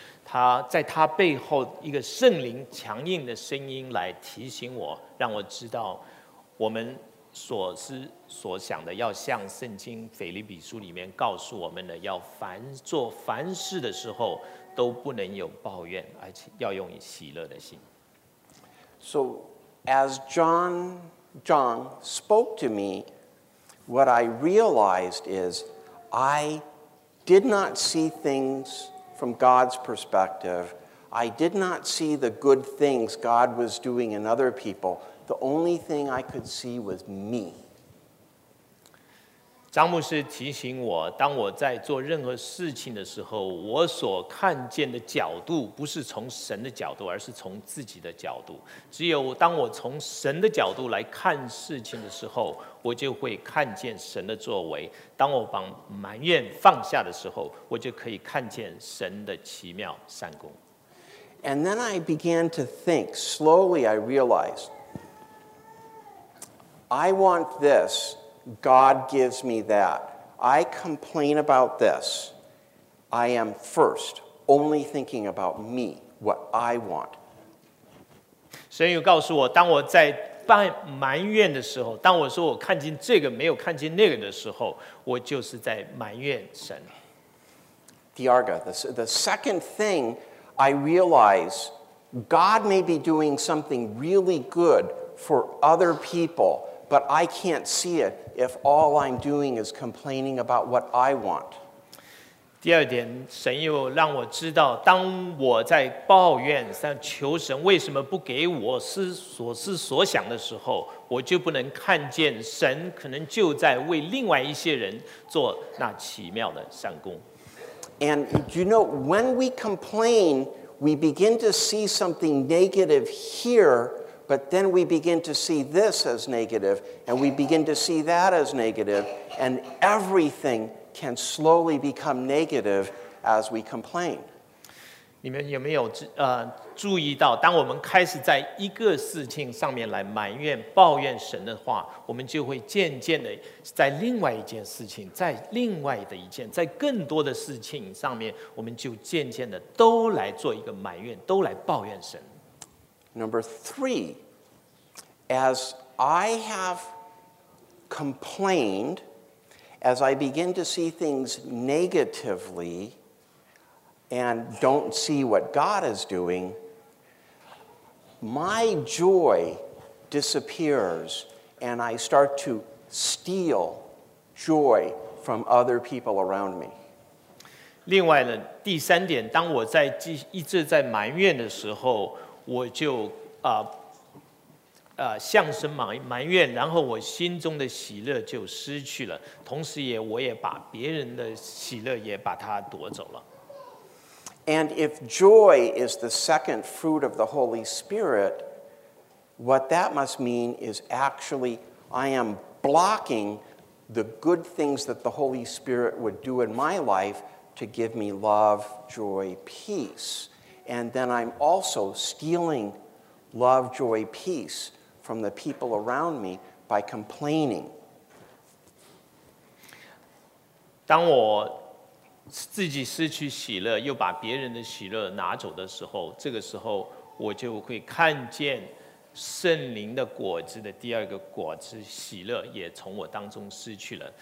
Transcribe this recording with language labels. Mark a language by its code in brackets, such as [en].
[zh] 他在他背后一个圣灵强硬的声音来提醒我，让我知道我们所想的要像圣经腓立比书里面告诉我们的，要凡事的时候都不能有抱怨，而且要用喜乐的心。 [en] So as John spoke to me, what I realized is I did not see things from God's perspective. I did not see the good things God was doing in other people. The only thing I could see was me. [zh] 张牧师提醒我，当我在做任何事情的时候，我所看见的角度不是从神的角度，而是从自己的角度。只有当我从神的角度来看事情的时候，我就会看见神的作为。当我把埋怨放下的时候，我就可以看见神的奇妙善工。 [en] And then I began to think, slowly I realized, I want this. God gives me that. I complain about this. I am first, only thinking about me, what I want. [zh] 神又告诉我，当我在埋怨的时候，当我说我看见这个，没有看见那个的时候，我就是在埋怨神。 [en] Diarga, the second thing I realize, God may be doing something really good for other people, but I can't see it. If all I'm doing is complaining about what I want. [zh] 第二点，神又让我知道，当我在抱怨、在求神为什么不给我所思所想的时候，我就不能看见神可能就在为另外一些人做那奇妙的善工。 [en] And you know, when we complain, we begin to see something negative here. But then we begin to see this as negative, and we begin to see that as negative, and everything can slowly become negative as we complain. [zh] 你们有没有注意到，当我们开始在一个事情上面来埋怨、抱怨神的话，我们就会渐渐的在另外一件事情、在另外的一件、在更多的事情上面，我们就渐渐的都来做一个埋怨、都来抱怨神。 [en] Number three, as I have complained, as I begin to see things negatively and don't see what God is doing, my joy disappears and I start to steal joy from other people around me. [zh] 另外呢，第三点，当我在一直在埋怨的时候，我就向神埋怨，然后我心中的喜乐就失去了，同时也我也把别人的喜乐也把它夺走了。 [en] And if joy is the second fruit of the Holy Spirit, what that must mean is actually I am blocking the good things that the Holy Spirit would do in my life to give me love, joy, peace. And then I'm also stealing love, joy, peace from the people around me by complaining. [zh] 当我自己失去喜乐，又把别人的喜乐拿走的时候，这个时候我就会看见圣灵的果子的第二个果子，喜乐也从我当中失去了。